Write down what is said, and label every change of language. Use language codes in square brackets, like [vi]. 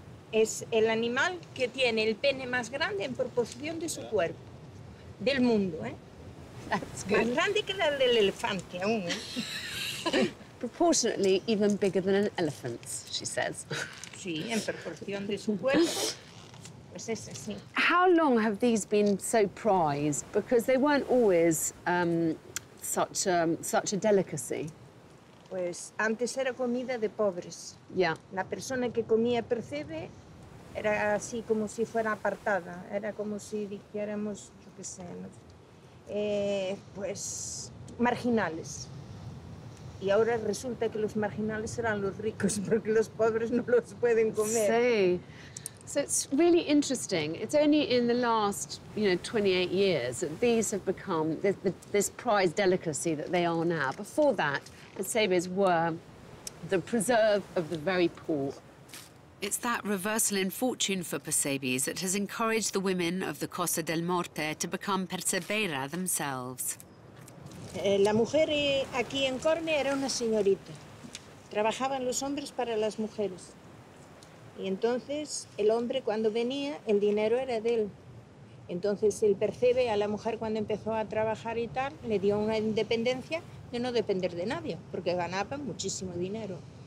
[es] Es el animal que tiene el pene más grande en proporción de su cuerpo. Del mundo, ¿eh? [en] That's good. [es] Más grande que el del elefante aún, ¿eh? [en] Proportionately even bigger than an elephant, she says. [es] Sí, en proporción de su cuerpo. Pues ese, sí. [en] How long have these been so prized? Because they weren't always such a delicacy. [es] Pues antes era comida de pobres. [en] Yeah. [es] La persona que comía percebe era así como si fuera apartada. Era como si dijéramos, yo qué sé, ¿no? Pues marginales. Y ahora resulta que los marginales serán los ricos porque los pobres no los pueden comer. Sí. [en] So it's really interesting. It's only in the last, you know, 28 years that these have become this prized delicacy that they are now. Before that, the sabres were the preserve of the very poor. It's that reversal in fortune for Persebes that has encouraged the women of the Costa del Morte to become persebera themselves. [es] La mujer aquí en Corne era una señorita. Trabajaban los hombres para las mujeres. Y entonces, el hombre cuando venía, el dinero era de él. Entonces, el percebe a la mujer cuando empezó a trabajar y tal, le dio una independencia de no depender de nadie, porque ganaba muchísimo dinero.